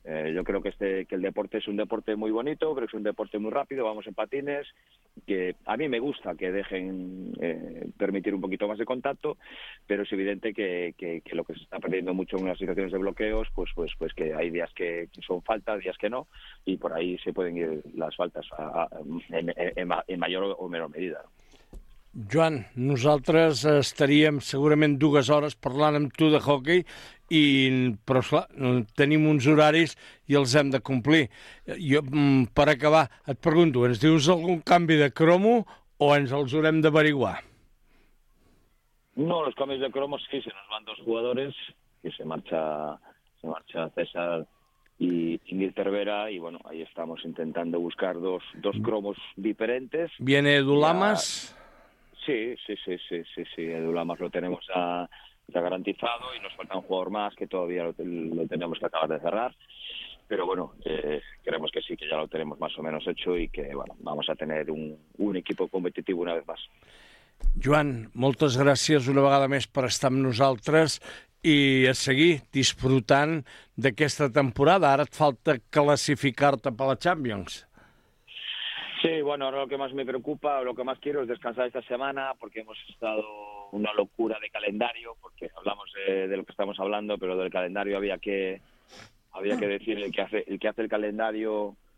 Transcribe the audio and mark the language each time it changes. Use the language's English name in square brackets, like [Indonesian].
[Spanish] Yo creo que el deporte es un deporte muy bonito, pero es un deporte muy rápido, vamos en patines, que a mí me gusta que dejen permitir un poquito más de contacto, pero es evidente que lo que se está perdiendo mucho en las situaciones de bloqueos, pues que hay días que son faltas, días que no, y por ahí se pueden ir las faltas en mayor o menor medida. [Catalan] Joan, nosaltres estaríem segurament dues hores parlant amb tu de hockey, però esclar, tenim uns horaris i els hem de complir. Jo, per acabar, et pregunto, ens dius algun canvi de cromo o ens els haurem d'averiguar? No, els canvis de cromo sí, [Spanish] se nos van dos jugadores, que se marxa César y Ingrid Cervera, y bueno, ahí estamos intentando buscar dos cromos diferentes. Viene Edu Lamas... Sí. Edu Lamas lo tenemos ya garantizado y nos falta un jugador más que todavía lo tenemos que acabar de cerrar. Pero bueno, creemos que sí, que ya lo tenemos más o menos hecho y que bueno, vamos a tener un equipo competitivo una vez más. [Catalan] Joan, moltes gràcies una vegada més per estar amb nosaltres i a seguir disfrutant d'aquesta temporada. Ara et falta classificar-te per la Champions. [Spanish] Sí, bueno, ahora lo que más me preocupa, lo que más quiero es descansar esta semana porque hemos estado una locura de calendario, porque hablamos de lo que estamos hablando, pero del calendario había que decir el que hace el calendario.